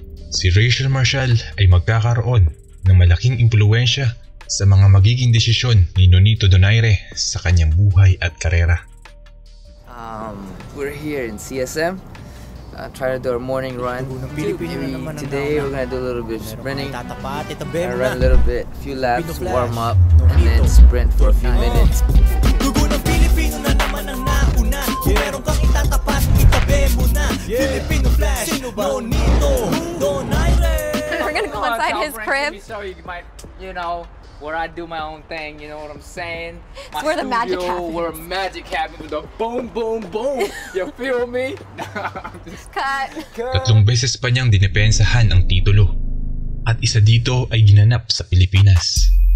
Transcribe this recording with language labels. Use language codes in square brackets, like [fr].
[tl] Si Rachel Marshall ay magkakaroon ng malaking impluensya sa mga magiging desisyon ni Nonito Donaire sa kanyang buhay at karera. [en] We're here in CSM, trying to do our morning run. Today we're gonna do a little bit of sprinting, run a little bit, a few laps, warm up, and then sprint for a few minutes. We're gonna go inside his crib. So you might, you know, where I do my own thing, you know what I'm saying? It's where the magic happens. Where magic happens with the boom, boom, boom. You feel me? Cut. [tl] Tatlong beses pa niyang dinepensahan ang titulo. At isa dito ay ginanap sa Pilipinas.